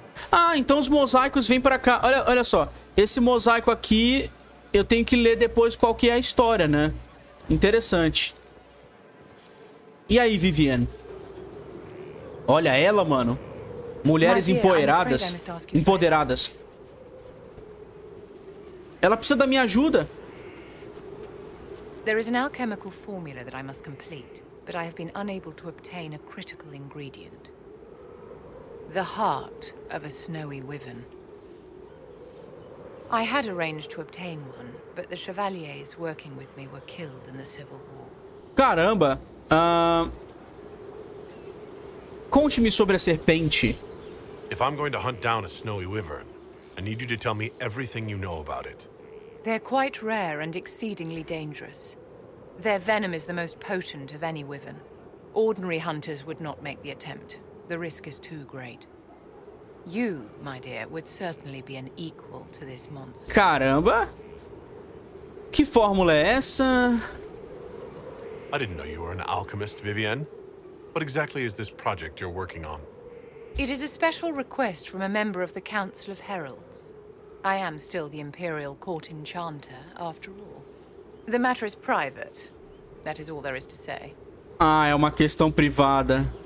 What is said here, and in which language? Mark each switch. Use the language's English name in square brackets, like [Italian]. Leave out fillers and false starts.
[Portuguese] Ah, então os mosaicos vêm pra cá. Olha só, esse mosaico aqui eu tenho que ler depois qual que é a história, né? Interessante. E aí, Vivienne? Olha ela, mano. Mulheres empoeiradas. Empoderadas. Ela precisa da minha ajuda. [English] There is an alchemical formula that I must complete, but I have been unable to obtain a critical ingredient. The heart of a snowy wyvern. I had arranged to obtain one, but the chevaliers working with me were killed in the civil war. [Portuguese] Caramba. Conte-me sobre a serpente. [English] If I'm going to hunt down a snowy wyvern, I need you to tell me everything you know about it. They're quite rare and exceedingly dangerous. Their venom is the most potent of any wyvern. Ordinary hunters would not make the attempt. The risk is too great. You, my dear, would certainly be an equal to this monster. [Portuguese] Caramba! Que fórmula é essa? [English] I didn't know you were an alchemist, Vivienne. What exactly is this project you're working on? It is a special request from a member of the Council of Heralds. I am still the Imperial Court Enchanter, after all. The matter is private. That is all there is to say. [Portuguese] Ah, é uma questão privada.